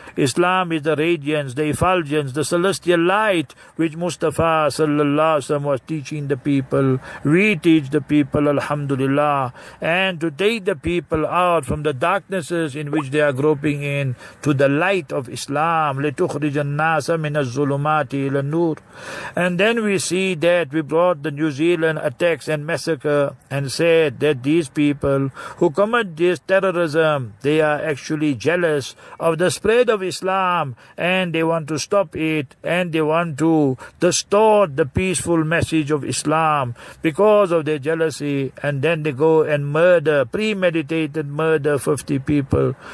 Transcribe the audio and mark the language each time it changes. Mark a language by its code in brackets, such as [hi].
[en] Islam is the radiance, the effulgence, the celestial light which Mustafa sallallahu alaihi wasallam was teaching the people. We teach the people, alhamdulillah. And to take the people out from the darknesses in which they are groping in to the light of Islam. [ar] لتخرج الناس من الظلمات إلى النور. [en] And then we see that we brought the New Zealand attacks and massacre and said that these people who commit this terrorism, they are actually jealous of the spread of Islam, and they want to stop it, and they want to distort the peaceful message of Islam because of their jealousy, and then they go and murder, premeditated murder, 50 people.